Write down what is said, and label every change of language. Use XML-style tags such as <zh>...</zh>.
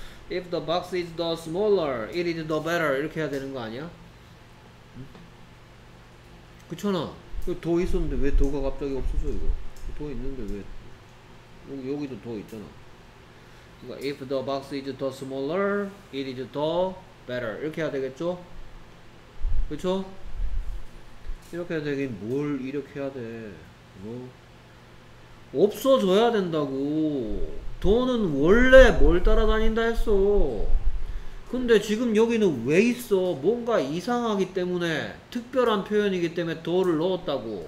<en>If the box is the smaller, it is the better.</en> <ko>이렇게 해야 되는 거 아니야? 응? 그쵸나? 여기 더 있었는데 왜 더가 갑자기 없었어 이거? 더 있는데 왜? 여기도 더 있잖아. 그러니까</ko> <en>if the box is the smaller, it is the better.</en> <ko>이렇게 해야 되겠죠? 그쵸? 이렇게 해야 되긴 뭘 이렇게 해야 돼? 어? 없어져야 된다고. 돈은 원래 뭘 따라다닌다 했어. 근데 지금 여기는 왜 있어? 뭔가 이상하기 때문에, 특별한 표현이기 때문에 돈을 넣었다고.</ko>